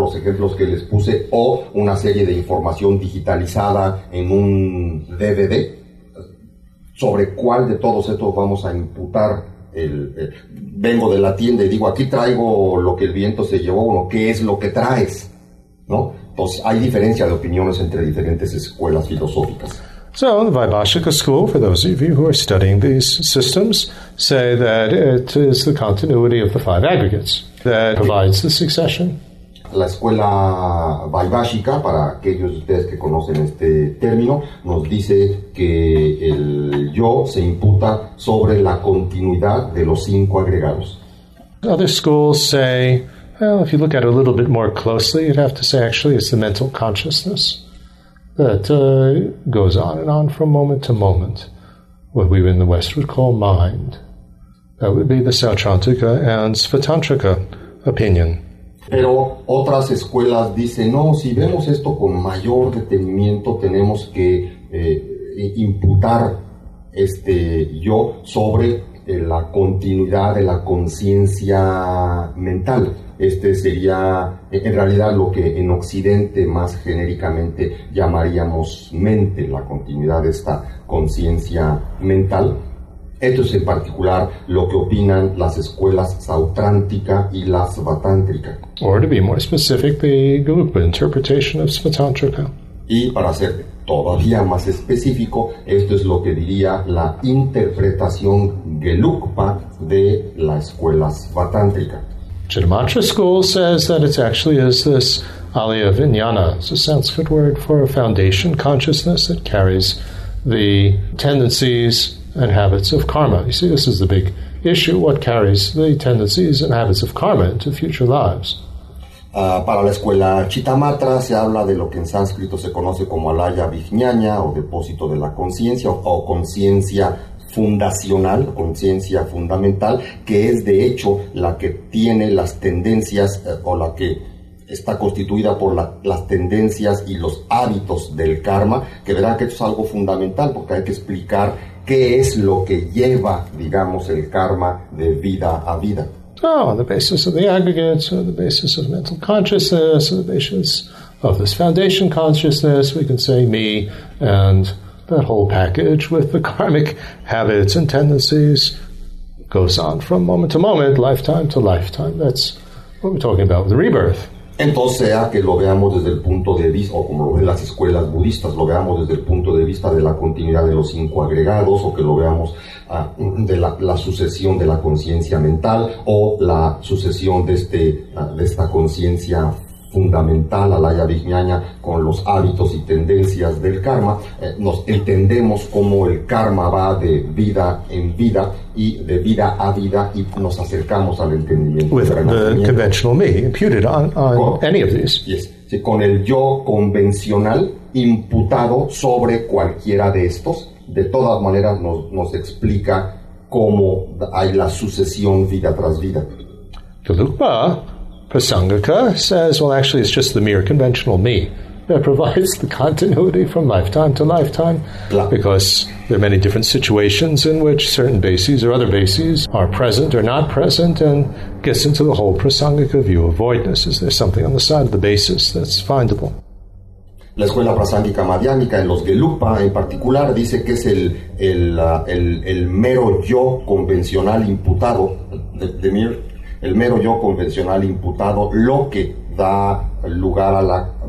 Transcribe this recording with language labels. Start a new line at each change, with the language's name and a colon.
Spanish: Los ejemplos que les puse, o una serie de información digitalizada en un DVD. ¿Sobre cuál de todos estos vamos a imputar vengo de la tienda y digo, aquí traigo lo que el viento se llevó, ¿no? ¿Qué es lo que traes, ¿no? Entonces, hay diferencia de opiniones entre diferentes escuelas filosóficas.
English: So, the Vaibhashika school, for those of you who are studying these systems, say that it is the continuity of the five aggregates that provides the succession.
Spanish: La escuela Vaibhashika, para aquellos de ustedes que conocen este término, nos dice que el yo yo se imputa sobre la continuidad de los cinco agregados.
English: Other schools say, well, if you look at it a little bit more closely, you'd have to say actually it's the mental consciousness that goes on and on from moment to moment, what we in the West would call mind. That would be the Sautrantika and Svatantrika opinion.
Spanish: Pero otras escuelas dicen, no, si vemos esto con mayor detenimiento, tenemos que imputar este yo sobre la continuidad de la conciencia mental. Este sería, en realidad, lo que en Occidente más genéricamente llamaríamos mente, la continuidad de esta conciencia mental. Esto es en particular lo que opinan las escuelas sautrántica y la svatántrica.
English: Or to be more specific, the Gurupa interpretation of svatántrica.
Spanish: Y para ser todavía más específico, esto es lo que diría la interpretación Gelugpa de la escuela svatántrica.
English: Chittimatra school says that it actually is this alaya vijnana. It's a Sanskrit word for a foundation consciousness that carries the tendencies and habits of karma. You see, this is the big issue, what carries the tendencies and habits of karma into future lives.
Spanish: Para la escuela Chittimatra se habla de lo que en sánscrito se conoce como alaya vijnana, o depósito de la conciencia, o conciencia fundacional, conciencia fundamental, que es de hecho la que tiene las tendencias, o la que está constituida por las tendencias y los hábitos del karma, que verán que esto es algo fundamental, porque hay que explicar qué es lo que lleva, digamos, el karma de vida a vida.
English: Oh, on the basis of the aggregates, or the basis of mental consciousness, or the basis of this foundation consciousness, we can say me and that whole package with the karmic habits and tendencies goes on from moment to moment, lifetime to lifetime. That's what we're talking about with the rebirth.
Spanish: Entonces, sea que lo veamos desde el punto de vista, o como lo ven las escuelas budistas, lo veamos desde el punto de vista de la continuidad de los cinco agregados, o que lo veamos de la sucesión de la conciencia mental, o la sucesión de esta conciencia fundamental, alaya vijnana, con los hábitos y tendencias del karma, nos entendemos cómo el karma va de vida en vida y de vida a vida, y nos acercamos al entendimiento.
English: With the conventional me imputed on any of these. Yes.
Spanish: Sí, con el yo convencional imputado sobre cualquiera de estos, de todas maneras nos explica cómo hay la sucesión vida tras vida.
English: Prasangika says, well, actually, it's just the mere conventional me that provides the continuity from lifetime to lifetime, because there are many different situations in which certain bases or other bases are present or not present, and gets into the whole Prasangika view of voidness. Is there something on the side of the basis that's findable?
Spanish: La escuela prasangika madhyamika, en los Gelugpa en particular, dice que es el mero yo convencional imputado,
English: the mere,
Spanish: el mero yo convencional imputado, lo que da lugar